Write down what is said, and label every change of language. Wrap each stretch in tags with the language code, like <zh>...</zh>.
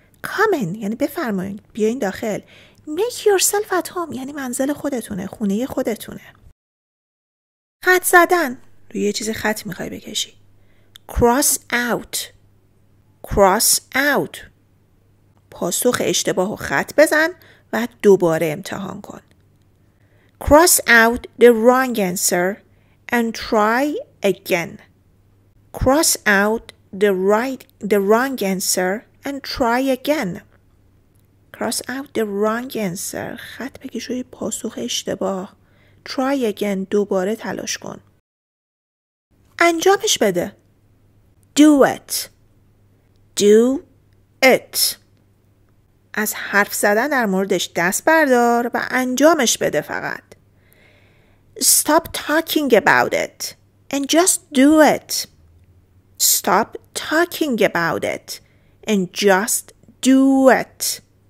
<fa>Come in یعنی بفرمایید بیاین داخل. Make yourself at home یعنی منزل خودتونه، خونه خودتونه. خط زدن، روی چیز خط میخوای بکشی.</fa> <en>Cross out. Cross out.</en> <fa>پاسخ اشتباهو خط بزن و دوباره امتحان کن.</fa> <en>Cross out the wrong answer and try again. Cross out the wrong answer and try again. Cross out the wrong answer. خط بکش روی پاسخ اشتباه. Try again.</en> <fa>دوباره تلاش کن. انجامش بده. Do it.</fa> <en>Do it.</en> <fa>از حرف زدن در موردش دست بردار و انجامش بده فقط.</fa> <en>Stop talking about it and just do it. Stop talking about it and just do it.</en>